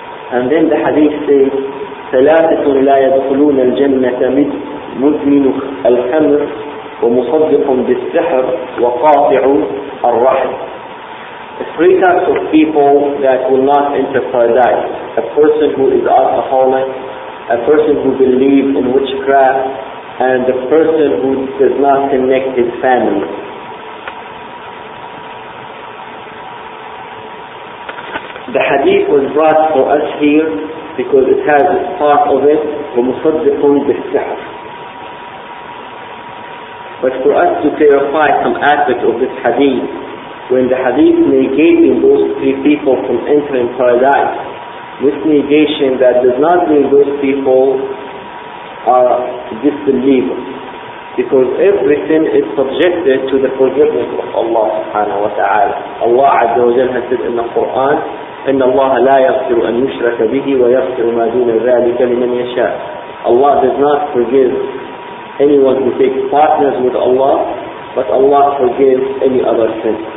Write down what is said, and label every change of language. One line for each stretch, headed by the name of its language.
English: And then the hadith says,
Arabic: ثَلَاثَةٌ لَا يَدْخُلُونَ الْجَنَّةَ مُذْمِنُ الْخَمْرِ وَمُصَدِّقٌ بِالسِّحْرِ وَقَاطِعٌ الرَّحْمِ.
English: Three types of people that will not enter paradise: a person who is alcoholic, a person who believes in witchcraft, and a person who does not connect his family. The hadith was brought for us here because it has this part of it,
Arabic: وَمُصَدِّقٌ بِالسِّحْرِ.
English: But for us to clarify some aspects of this hadith, when the hadith negating those three people from entering paradise, this negation, that does not mean those people are disbelievers, because everything is subjected to the forgiveness of Allah subhanahu wa ta'ala. Allah Azza wa Jalla has said in the Quran,
Arabic: إن الله لا يغفر أن يشرك به ويغفر ما دون ذلك لمن يشاء.
English: Allah does not forgive anyone who takes partners with Allah, but Allah forgives any other sin.